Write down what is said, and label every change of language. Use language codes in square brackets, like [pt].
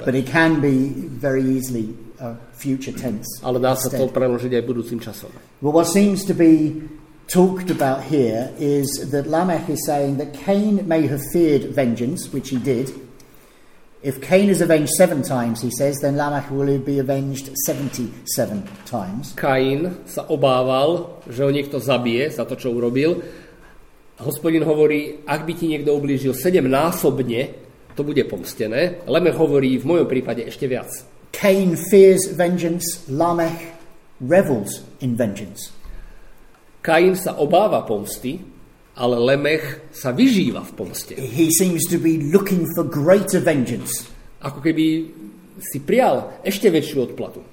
[en] But it can be very easily a future tense. [sk] Ale dá sa to preložiť aj budúcim časom. [en] Well, what seems to be talked about here is that Lamech is saying that Cain may have feared vengeance, which he did. If Cain is avenged 7 times, he says, then Lamech will be avenged 77 times. [sk] Cain sa obával, že ho niekto zabije za to, čo urobil, Hospodin hovorí, ak by ti niekto ublížil 7 násobne, to bude pomstené. Lamech hovorí, v mojom prípade ešte viac. [en] Cain fears vengeance, Lamech revels in vengeance. [sk] Kain sa obáva pomsty, ale Lemech sa vyžíva v pomste. [en] He seems to be looking for greater vengeance. [sk] Ako keby si prial ešte väčšiu odplatu.